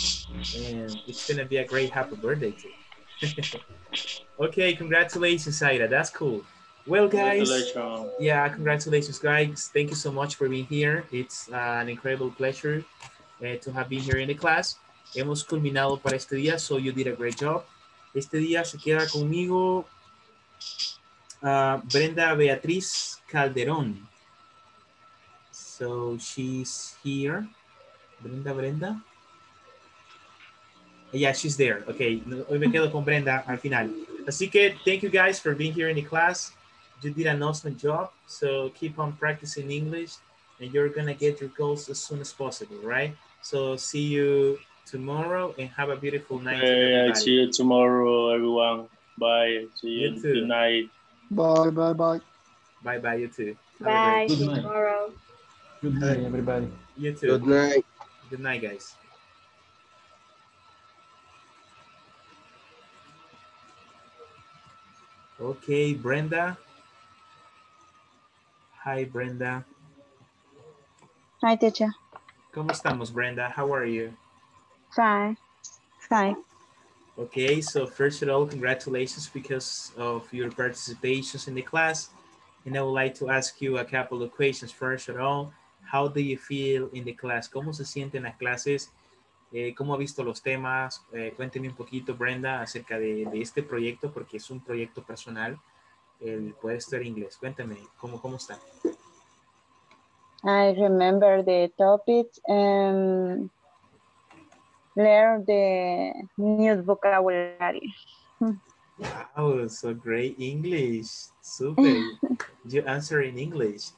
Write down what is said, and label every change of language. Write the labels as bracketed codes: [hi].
[en] And it's going to be a great happy birthday too. Okay, congratulations, Aida. That's cool. Well, guys. Congratulations. Yeah, congratulations, guys. Thank you so much for being here. It's an incredible pleasure to have been here in the class. [es] Hemos culminado para este día, [en] so you did a great job. [es] Este día se queda conmigo Brenda Beatriz Calderón. [en] So she's here. Brenda, Brenda. Yeah, she's there. Okay, [es] hoy me quedo con Brenda al final. Así que [en] thank you guys for being here in the class. You did an awesome job. So keep on practicing English and you're going to get your goals as soon as possible, right? So see you tomorrow and have a beautiful night. Hey, see you tomorrow, everyone. Bye. See you tonight. Bye, bye, bye. Bye, bye, you too. Bye, see you tomorrow. Good night, everybody. You too. Good night. Good night, guys. Okay, Brenda. Hi, Brenda. Hi, teacher. [es] ¿Cómo estamos, Brenda? [en] How are you? Fine. Fine. Okay, so first of all, congratulations because of your participation in the class. And I would like to ask you a couple of questions. First of all, how do you feel in the class? [es] ¿Cómo se sienten las clases? ¿Cómo ha visto los temas? Cuénteme un poquito, Brenda, acerca de este proyecto, porque es un proyecto personal. El puede estar en inglés. Cuénteme, ¿cómo está? [en] I remember the topic and learn the new vocabulary. Wow, so great English. Super. You answer in English.